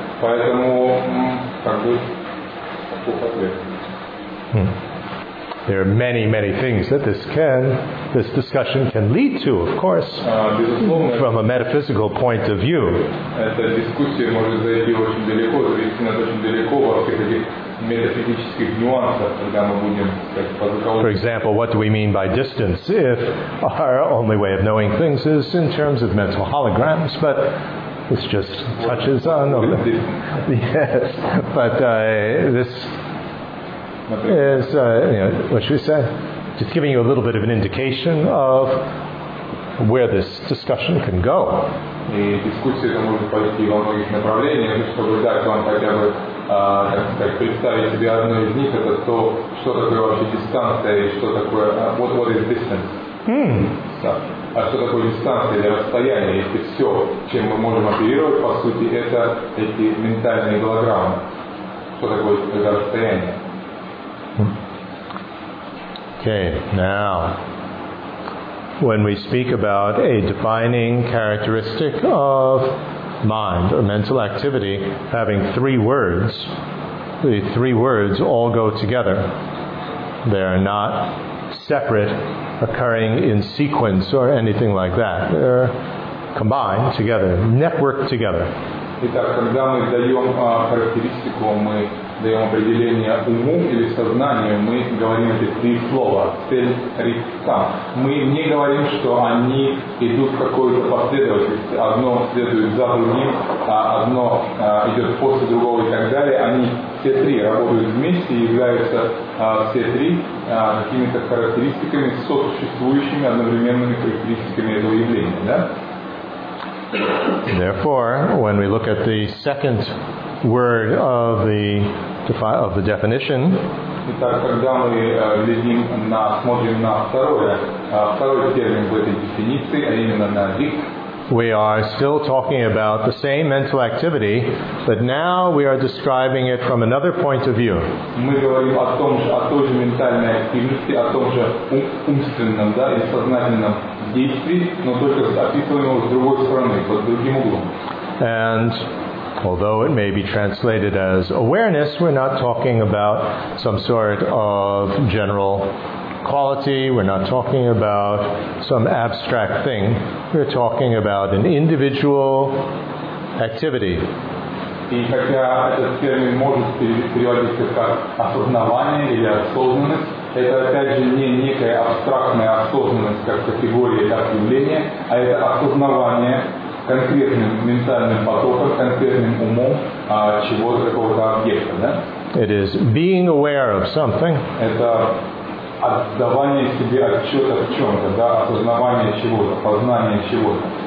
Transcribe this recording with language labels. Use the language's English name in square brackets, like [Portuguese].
[Russian] Поэтому как бы такой ответ. [English] There are many, many things that this discussion can lead to, of course, from a metaphysical point of view. [Russian] Эта дискуссия может зайти очень далеко, зависит от очень далеко во всех этих метафизических нюансов, когда мы будем по закону. [English] For example, what do we mean by distance if our only way of knowing things is in terms of mental holograms? But this just touches on a little. Yes, but this. What should we say? Just giving you a little bit of an indication of where this discussion can go. [Russian] И дискуссия это может пойти во многих направлениях, чтобы дать вам хотя бы представить себе одно из них, это то, что такое вообще дистанция и что такое [English] what is distance. [Russian] А что такое дистанция или расстояние, если все, чем мы можем оперировать, по сути, это эти ментальные голограммы. Что такое это расстояние? [English] Okay, now, when we speak about a defining characteristic of mind or mental activity having three words, the three words all go together. They are not separate, occurring in sequence or anything like that. They're combined together, networked together. [Russian] Итак, когда мы даем характеристику, мы даем определение уму или сознанию, мы говорим эти три слова «цель-рисца». Мы не говорим, что они идут в какую-то последовательность, одно следует за другим, а одно идет после другого и так далее. Они все три работают вместе и являются все три какими-то характеристиками, сосуществующими одновременными характеристиками этого явления. Да? [English] Therefore, when we look at the second word of the definition, [Russian] итак, когда мы глядим на, смотрим на второй термин в этой дефиниции, а именно на рик, [English] we are still talking about the same mental activity, but now we are describing it from another point of view. [Russian] Мы говорим о том же, о той же ментальной активности, о том же умственном, да, и сознательном действии, но только описываем его с другой стороны, под другим углом. [English] And although it may be translated as awareness, we're not talking about some sort of general quality, we're not talking about some abstract thing, we're talking about an individual activity. [Russian] И хотя этот термин может переводиться как осознавание или осознанность, это опять же не некая абстрактная осознанность как категория, как явление, а это осознавание конкретным ментальным потоком, конкретным умом чего-то, какого-то объекта, да? [English] It is being aware of something. [Russian] Это отдавание себе отчета в чем-то, да, осознавание чего-то, познание чего-то.